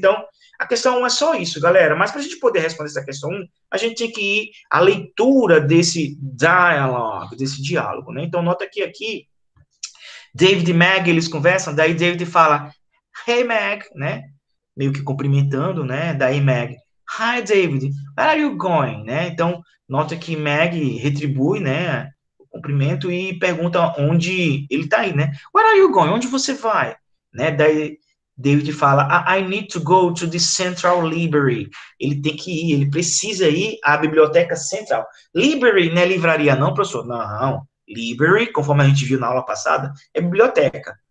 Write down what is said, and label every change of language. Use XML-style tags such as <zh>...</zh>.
<pt>Então, a questão 1 é só isso, galera. Mas para a gente poder responder essa questão 1, a gente tem que ir à leitura desse dialogue, desse diálogo, né? Então, nota que aqui, David e Meg, eles conversam, daí David fala, Hey, Meg, né? Meio que cumprimentando, né?</pt> <en>Daí Meg, Hi, David, where are you going?</en> <pt>Né? Então, nota que Meg retribui, né? Cumprimento e pergunta onde ele está aí, né?</pt> <en>Where are you going?</en> <pt>Onde você vai? Né? Daí David fala,</pt> <en>I need to go to the Central Library.</en> <pt>Ele tem que ir, ele precisa ir à Biblioteca Central. Library não é livraria, não, professor? Não. Library, conforme a gente viu na aula passada, é biblioteca.</pt>